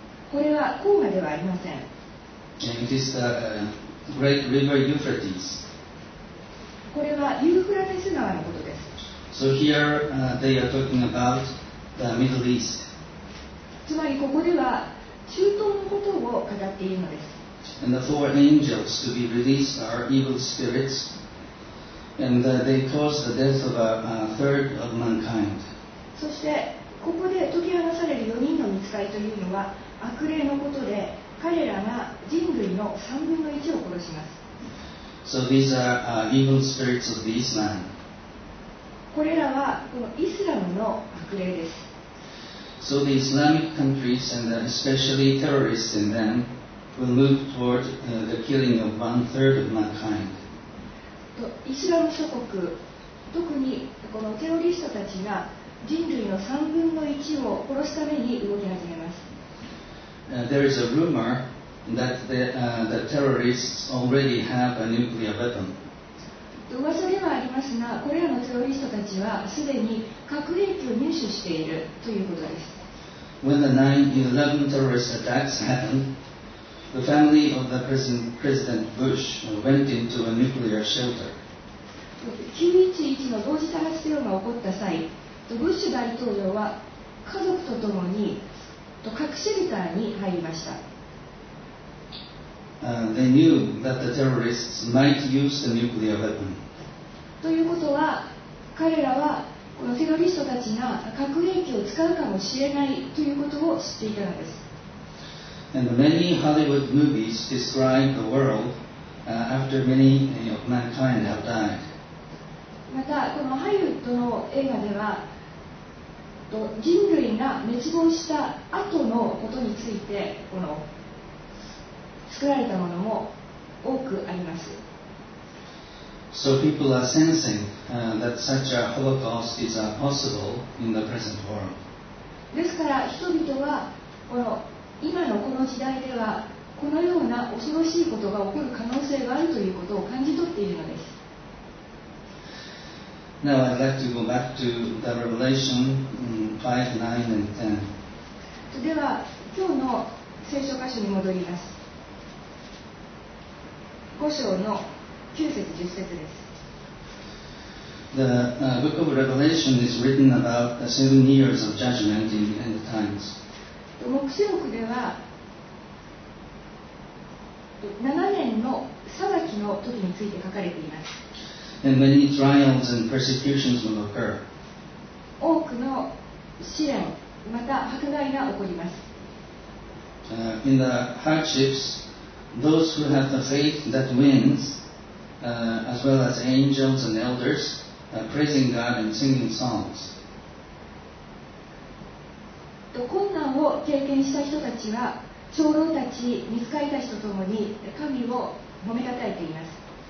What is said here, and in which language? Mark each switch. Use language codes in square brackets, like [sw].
[ja] これは黄河ではありません。 [en] It is the great river Euphrates. [ja] これはユーフラテス川のことです。 [en] So here, they are talking about the Middle East. [ja] つまりここでは中東のことを語っているのです。 [en] And the four angels to be released are evil spirits, and they cause the death of a third of mankind. [ja] そしてここで解き放される4人の御使いというのは悪霊のことで、彼らが人類の3分の1を殺します。 [en] So these are evil spirits of the Islam. [ja] これらはこのイスラムの悪霊です。 [en] So the Islamic countries and especially terrorists in them. Will move toward the killing of one third of mankind. [ja] イスラム諸国、特にこのテロリストたちが人類の3分の1を殺すために動き始めます。 [en] There is a rumor that the terrorists already have a nuclear weapon. [ja] 噂ではありますが、これらのテロリストたちはすでに核兵器を入手しているということです。 [en] When the 9/11 terrorist attacks happened,The family of the President Bush went into a nuclear shelter. [ja] 911 の同時多発テロが起こった際、ブッシュ大統領は家族とともに核シェルターに入りました。 [en] They knew that the terrorists might use the nuclear weapon. [ja] ということは、彼らはこのテロリストたちが核兵器を使うかもしれないということを知っていたのです。 [en] And many Hollywood movies describe the world after many of mankind have died. [ja] またこのハリウッドの映画では、人類が滅亡した後のことについてこの作られたものも多くあります。 [en] So people are sensing that such a holocaust is possible in the present world. [ja] ですから人々はこの今のこの時代ではこのような恐ろしいことが起こる可能性があるということを感じ取っているのです。 [en] Now I'd like to go back to the Revelation 5, 9 and 10. [ja] では今日の聖書箇所に戻ります。 5章の9節10節です。 [en] The book of Revelation is written about the seven years of judgment in end times. [ja] 黙示録では7年の裁きの時について書かれています。 [en] And many trials and persecutions will occur. [ja] 多くの試練また迫害が起こります。 [en] In the hardships, those who have the faith that wins, as well as angels and elders, praising God and singing songs. [ja] 困難を経験した人たちは長老たち、見つかった人ともに神を褒めたたえています。